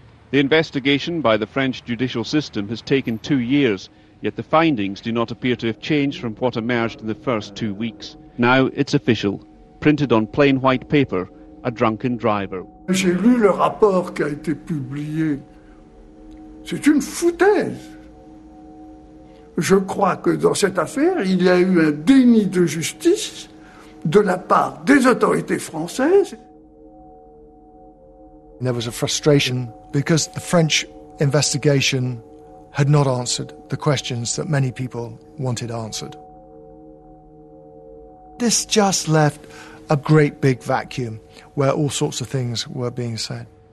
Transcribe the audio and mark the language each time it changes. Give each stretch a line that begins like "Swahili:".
English: The investigation by the French judicial system has taken 2 years, yet the findings do not appear to have changed from what emerged in the first 2 weeks. Now it's official, printed on plain white paper, a drunken driver.
French: J'ai lu le rapport qui a été publié. C'est une foutaise. Je crois que dans cette affaire, il y a eu un déni de justice de la part des autorités françaises.
English: There was a frustration because the French investigation had not answered the questions that many people wanted answered. This just left a great big vacuum where all sorts of things were being said.